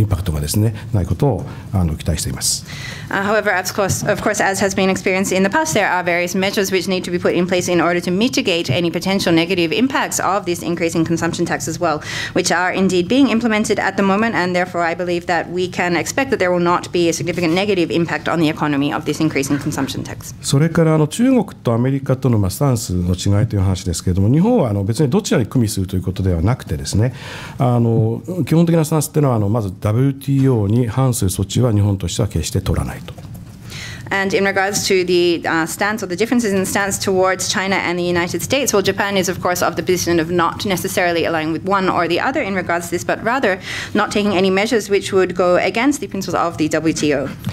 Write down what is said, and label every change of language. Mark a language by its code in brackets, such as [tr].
[ja] ただもちろんですね、消費増税やれば、その前に駆け込み需要がありますし、その後にはあの消費の落ち込みがある。これは我々が前回経験したところですので、まあ、そういう、まあ、悪いインパクトをできるだけ軽減するための措置はですね、まあ、いろいろご案内のようなですね、措置を講ずることによって、まあ、経営できているとは思いますし、あの、大きな、あの、経済に対する、まあ、あの、インパクトがですね、ないことを、あの、期待しています。 [en] However, of course, as has been experienced in the past, there are various measures which need to be put in place in order to mitigate any potential negative impacts of this increase in consumption tax as well, which are indeed being implemented at the moment, and therefore I believe that we can expect that there will not be a significant negative impact on the economy of this increase in consumption tax. [ja] それからあの中国とアメリカとのスタンスの違いという話ですけれども、日本はあの別にどちらに組みするということではなくてですね、あの基本的なスタンスというのはあのまずWTOに反する措置は日本としては決して取らないと。 [en] And in regards to the stance or the differences in stance towards China and the United States, well, Japan is, of course, of the position of not necessarily aligning with one or the other in regards to this, but rather not taking any measures which would go against the principles of the WTO.